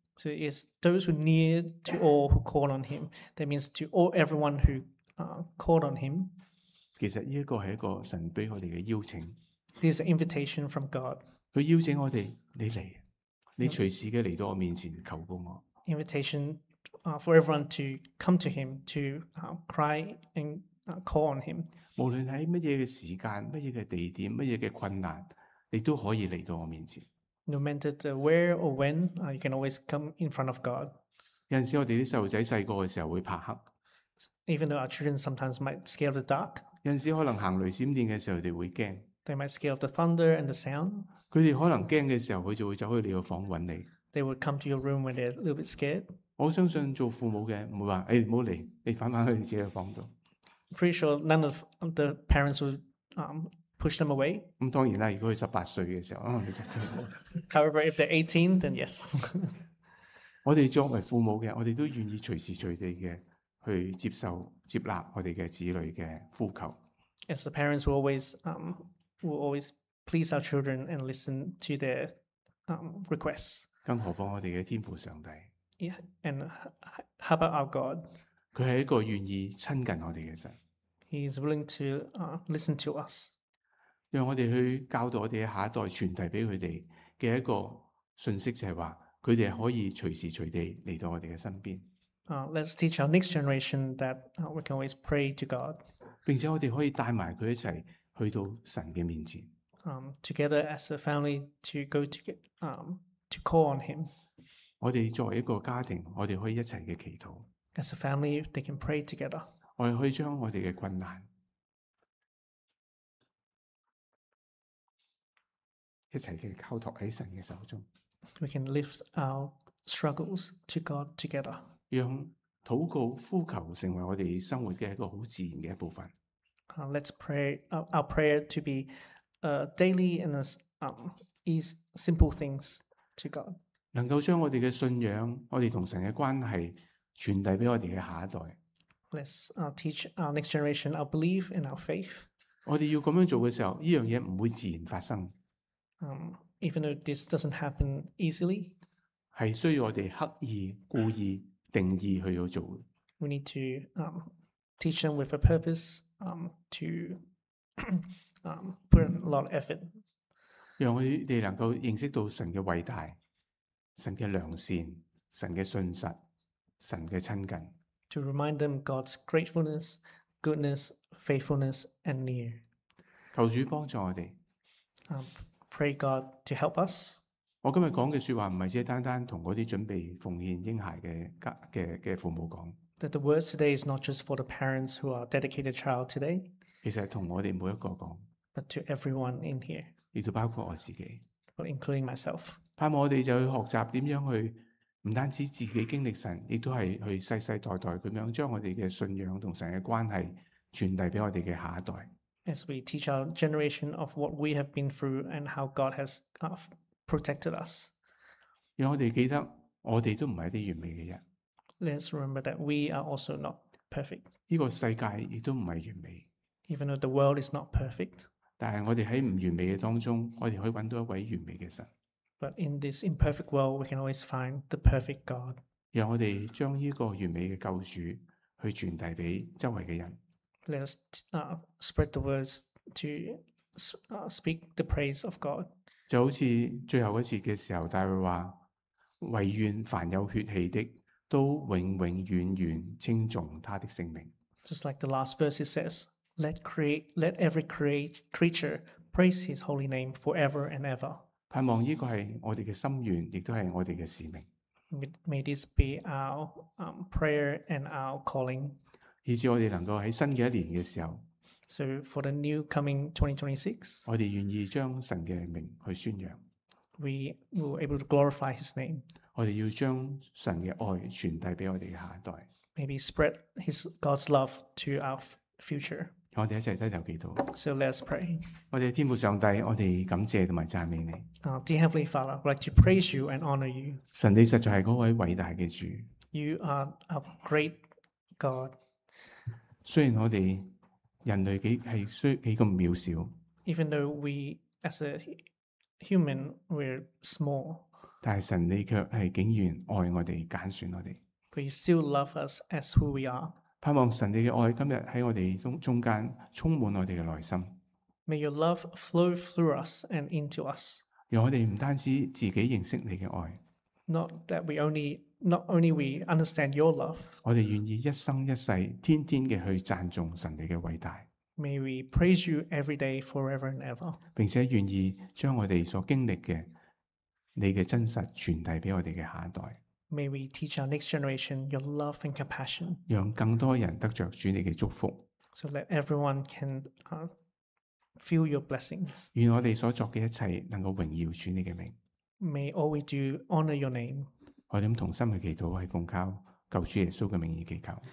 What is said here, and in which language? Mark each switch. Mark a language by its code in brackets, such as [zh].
[en] So it's those who near to all who call on him. That means to all everyone who call on him. [yue] 其实呢一个系一个神俾我哋嘅邀请。 [en] This is an invitation from God. [yue] 佢邀请我哋，你嚟，你随时嘅嚟到我面前求告我。 [en] Invitation. For everyone to come to him to cry and call on him. [yue] 无论在什么时间、什么地点、什么困难，你都可以来到我面前。 [en] No matter the where or when, you can always come in front of God. [yue] 有时候我们的小孩子小的时候会怕黑。 [en] Even though our children sometimes might scare of the dark. [yue] 有时候可能行雷闪电的时候他们会怕。 [en] They might scare of the thunder and the sound. [yue] 他们可能怕的时候他就会走去你的房找你。 [en] They would come to your room when they're a little bit scared. [yue] 我相信做父母的不会说，哎，不要来，你回到自己的房间。 [en] Pretty sure none of the parents would push them away. [yue] 当然了，如果他18岁的时候，你就对了。 [en] However, if they're 18, then yes. [yue] 我们作为父母的，我们都愿意随时随地的去接受，接纳我们的子女的呼求。 [en] As the parents will always please our children and listen to their requests. [yue] 更何况我们的天父上帝。 [en] Yeah, and how about our God? [yue] 他是一个愿意亲近我们的神。 [en] He is willing to listen to us. [yue] 让我们去教导我们的下一代，传递给他们的一个信息，就是说他们可以随时随地来到我们的身边。 [en] Let's teach our next generation that we can always pray to God. [yue] 并且我们可以带着他一起去到神的面前。 [en] Together as a family to go to, to call on him. [yue] 我们作为一个家庭，我们可以一起的祈祷。 [en] As a family, they can pray together. [yue] 我们可以将我们的困难一起的交托在神的手中。 [en] We can lift our struggles to God together. [yue] 让祷告呼求成为我们生活的一个很自然的一部分。 [en] Let's pray our prayer to be daily and is simple things to God. [yue] 能够将我们的信仰，我们同神的关系传递给我们的下一代。 [en] Let's teach our next generation our belief and our faith. [yue] 我们要这样做的时候，这件事不会自然发生。 [en] Even though this doesn't happen easily, [yue] 是需要我们刻意、故意、定义去要做的。 [en] We need to teach them with a purpose to put in a lot of effort. [yue] 让我们能够认识到神的伟大、神的良善、神的信实、神的亲近。 [en] To remind them God's gratefulness, goodness, faithfulness, and near. [yue] 求主帮助我们。 [en] Pray God to help us. [yue] 我今天讲的说话不是单单跟那些准备奉献婴孩 的父母讲。 [en] That the words today is not just for the parents who are dedicated child today. [yue] 其实是跟我们每一个讲。 [en] But to everyone in here. [yue] 也都包括我自己。 [en] But including myself. [yue] 盼望我们就去学习怎样去，不单止自己经历神，也都是去世世代代这样将我们的信仰和神的关系传递给我们的下一代。 [en] As we teach our generation of what we have been through and how God has protected us. [yue] 让我们记得我们都不是一些完美的人。 [en] Let's remember that we are also not perfect. [yue] 这个世界也都不是完美。 [en] Even though the world is not perfect. [yue] 但是我们在不完美的当中，我们可以找到一位完美的神。 [en] But in this imperfect world, we can always find the perfect God. [yue] 让我们将这个完美的救主去传递给周围的人。 [en] Let's spread the words to speak the praise of God. [yue] 就好像最后一次的时候，大卫说：唯愿凡有血气的，都永永远远称颂他的圣名。 [en] Just like the last verse, it says, let every creature praise his holy name forever and ever. [yue] 盼望这个是我们的心愿，也是我们的使命。 [en] May this be our prayer and our calling. [yue] 以致我们能够在新的一年的时候， [en] So for the new coming 2026, [yue] 我们愿意将神的名去宣扬。 [en] We will be able to glorify his name. [yue] 我们要将神的爱传递给我们的下一代。 [en] Maybe spread his God's love to our future. [yue] 我们一起低头祈祷。 [en] So let's pray. [yue] 我们天父上帝，我们感谢和赞美你。 [en] Dear Heavenly Father, I'd like to praise you and honor you. [yue] 神，你实在是那位伟大的主。 [en] You are a great God. [yue] 虽然我们人类几个渺小， [en] Even though we as a human we're small， [yue] 但是神你却是竟然爱我们，拣选我们。 [en] But you still love us as who we are。 [yue] 盼望神你的爱今天在我们中间充满我们的内心。 [en] May your love flow through us and into us。 [yue] 让我们不单止自己认识你的爱。 [en] Not only we understand your love, [yue] 我们愿意一生一世天天的去赞颂神你的伟大。 [en] May we praise you every day, forever and ever. [yue] 并且愿意将我们所经历的你的真实传递给我们的下一代。 [en] May we teach our next generation your love and compassion. [yue] 让更多人得着主你的祝福。 [en] So that everyone can feel your blessings. [yue] 愿我们所做的一切能够荣耀主你的名。 [en] May all we do honor your name. [yue] 我们同心去祈祷，是奉靠救主耶稣的名义祈求。